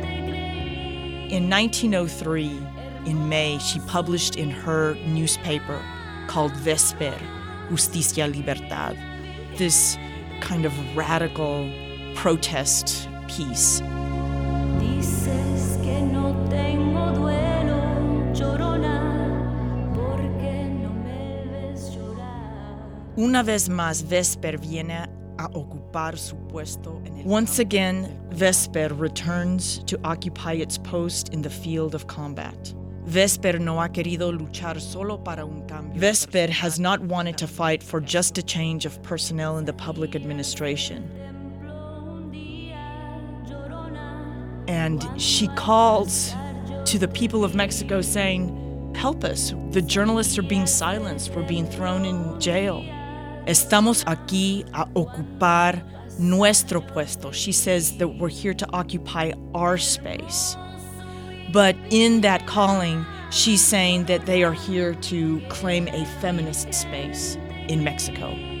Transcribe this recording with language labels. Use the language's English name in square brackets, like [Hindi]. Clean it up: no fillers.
[English] In 1903, in May, she published in her newspaper called Vesper, Justicia Libertad, this kind of radical protest piece. [Spanish] Una vez más, Vesper viene a ocupar su puesto. [English] Once again, Vesper returns to occupy its post in the field of combat. [Spanish] Vesper no ha querido luchar solo para un cambio. [English] Vesper has not wanted to fight for just a change of personnel in the public administration. And she calls to the people of Mexico saying, help us. The journalists are being silenced. We're being thrown in jail. [Spanish] Estamos aquí a ocupar nuestro puesto. [English] She says that we're here to occupy our space. But in that calling, she's saying that they are here to claim a feminist space in Mexico.